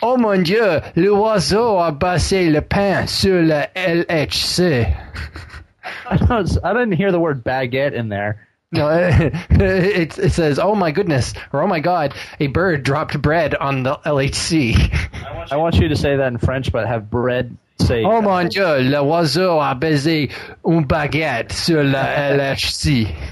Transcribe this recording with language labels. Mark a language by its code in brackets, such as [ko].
[fr] Oh mon Dieu, l'oiseau a passé le pain sur la LHC. [en] I didn't hear the word baguette in there. No, it says, oh my goodness, or oh my God, a bird dropped bread on the LHC. I want you to say that in French, but have bread say. [fr] Oh mon Dieu, l'oiseau a baisé une baguette sur la LHC.